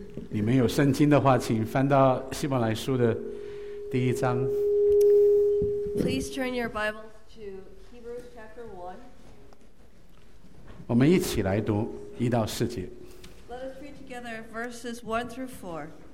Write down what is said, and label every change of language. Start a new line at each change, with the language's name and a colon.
Chinese: 你们有圣经的话，请翻到希伯来书的第一章。
English: Please turn your Bibles to Hebrews chapter 1.
Chinese: 我们一起来读一到四节。
English: Let us read together verses 1 through 4.